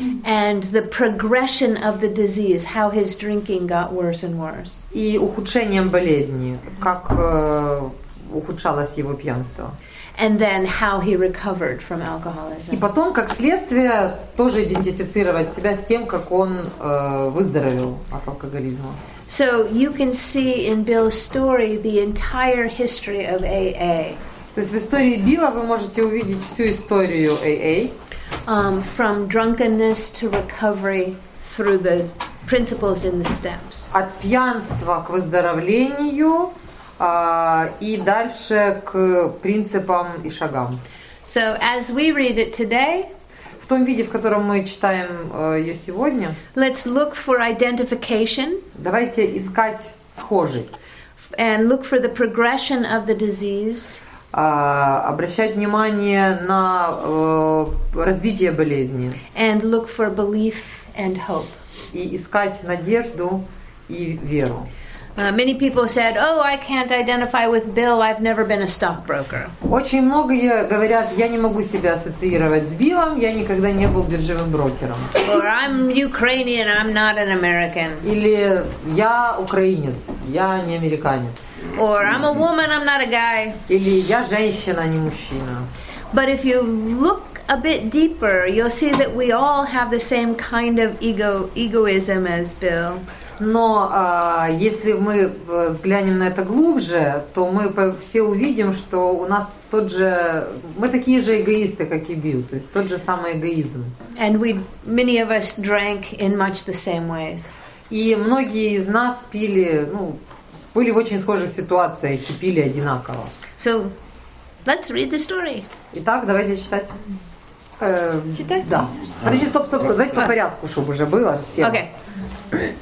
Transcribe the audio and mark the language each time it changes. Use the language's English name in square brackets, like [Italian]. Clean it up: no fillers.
[English] And the progression of the disease, how his drinking got worse and worse. [Russian] И ухудшением болезни, как ухудшалось его пьянство. [English] And then how he recovered from alcoholism. [Russian] И потом, как следствие, тоже идентифицировать себя с тем, как он выздоровел от алкоголизма. [English] So you can see in Bill's story the entire history of AA. [Russian] То есть в истории Билла вы можете увидеть всю историю AA. [English] From drunkenness to recovery through the principles in the steps. [Russian] От пьянства к выздоровлению. И дальше к принципам и шагам. [English] So, as we read it today, [Russian] в том виде, в котором мы читаем ее сегодня, [English] let's look for identification, [Russian] давайте искать схожесть. [English] And look for the progression of the disease, [Russian] обращать внимание на развитие болезни. [English] And look for belief and hope. [Russian] И искать надежду и веру. [English] Many people said, "Oh, I can't identify with Bill. I've never been a stockbroker." [Russian] Очень многие говорят, я не могу себя ассоциировать с Биллом. Я никогда не был биржевым брокером. [English] Or I'm Ukrainian. I'm not an American. [Russian] Или я украинец. Я не американец. [English] Or I'm a woman. I'm not a guy. [Russian] Или я женщина, а не мужчина. [English] But if you look a bit deeper, you'll see that we all have the same kind of egoism as Bill. [Russian] Но если мы взглянем на это глубже, то мы все увидим, что у нас тот же, мы такие же эгоисты, как и Билл, то есть тот же самый эгоизм. [English] And we, many of us drank in much the same ways. [Russian] И многие из нас пили, ну, были в очень схожих ситуациях и пили одинаково. [English] So, let's read the story. [Russian] Итак, давайте читать. Читай. Да. Подожди, стоп. Давайте по порядку, чтобы уже было. Окей. Okay.